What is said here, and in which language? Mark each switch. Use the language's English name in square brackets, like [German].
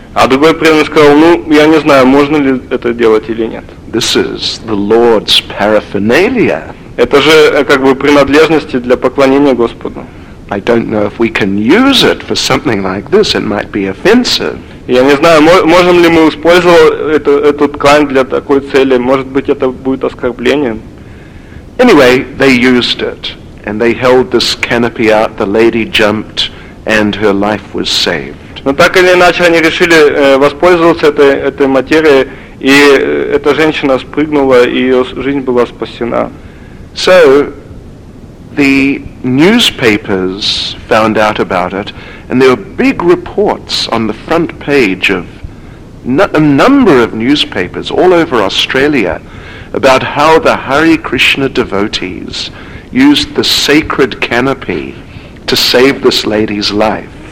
[Russian] А другой преданный сказал, ну, я не знаю, можно ли это делать или нет. [English] This is the Lord's paraphernalia. [Russian] Это же как бы принадлежности для поклонения Господу. [English] I don't know if we can use it for something like this. It might be offensive. [Russian] Я не знаю, можем ли мы использовать этот ткань для такой цели. Может быть, это будет оскорблением. [English] Anyway, they used it. And they held this canopy out. The lady jumped and her life was saved. [Russian] Но так или иначе, они решили воспользоваться этой материей. И эта женщина спрыгнула, и ее жизнь была спасена. [English] So, the newspapers found out about it, and there were big reports on the front page of a number of newspapers all over Australia about how the Hare Krishna devotees used the sacred canopy to save this lady's life.